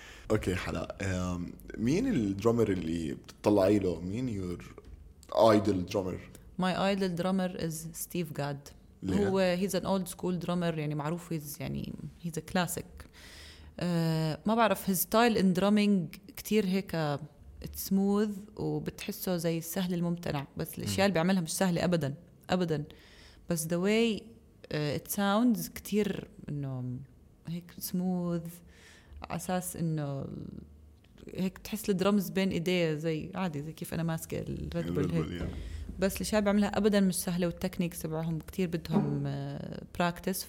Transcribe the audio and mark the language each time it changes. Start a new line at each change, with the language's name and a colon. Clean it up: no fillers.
Arabic: اوكي حلا, مين الدرامر اللي بتطلعي له؟ مين
English: your idol drummer؟ my idol drummer is Steve Gadd.
Arabic: هو
English: he's an old school drummer,
Arabic: يعني معروف, يعني
English: he's a classic.
Arabic: ما بعرف,
English: his style in drumming
Arabic: كتير هيك سموث, وبتحسه زي السهل الممتنع, بس الأشياء اللي بيعملها مش سهلة أبدا أبدا, بس
English: the way it sounds
Arabic: كتير إنه هيك سموث, عساس إنه هيك تحس الدرمز بين إيديه زي عادي زي كيف أنا ماسكة الريد بول هيك, بس الأشياء اللي بيعملها أبدا مش سهلة, والتكنيك تبعهم كتير بدهم براكتس.